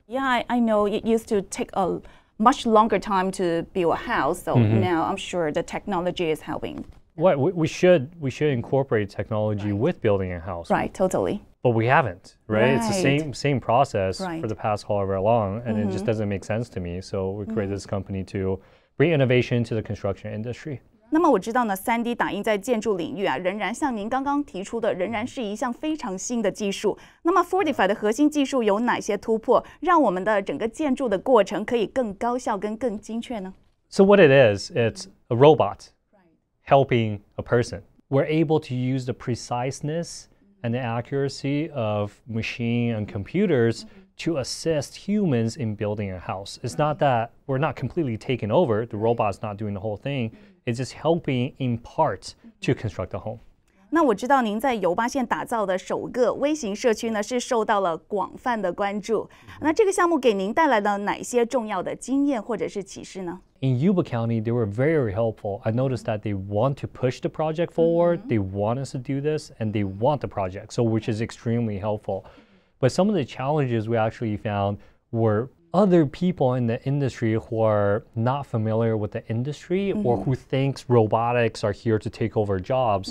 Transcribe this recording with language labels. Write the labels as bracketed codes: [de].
[en] Yeah, I know it used to take a much longer time to build a house, so now I'm sure the technology is helping. Right, we should incorporate technology with building a house. Right, totally. But we haven't, right? Right. It's the same process for the past however long, and it just doesn't make sense to me. So we created this company to bring innovation to the construction industry. [zh] 那么我知道呢 ,3D 打印在建筑领域啊，仍然像您刚刚提出的，仍然是一项非常新的技术。那么 Fortify 的核心技术有哪些突破，让我们的整个建筑的过程可以更高效跟更精确呢？ [en] So what it is, it's a robot helping a person. We're able to use the preciseness and the accuracy of machine and computers to assist humans in building a house. It's not that we're not completely taken over, the robot's not doing the whole thing, it's just helping in part to construct a home. [zh] 那我知道您在尤巴县打造的首个微型社区呢，是受到了广泛的关注。那这个项目给您带来了哪些重要的经验或者是启示呢？ [en] In Yuba County, they were very, very helpful. I noticed that they want to push the project forward. Mm-hmm. They want us to do this and they want the project, so which is extremely helpful. But some of the challenges we actually found were other people in the industry who are not familiar with the industry or who thinks robotics are here to take over jobs.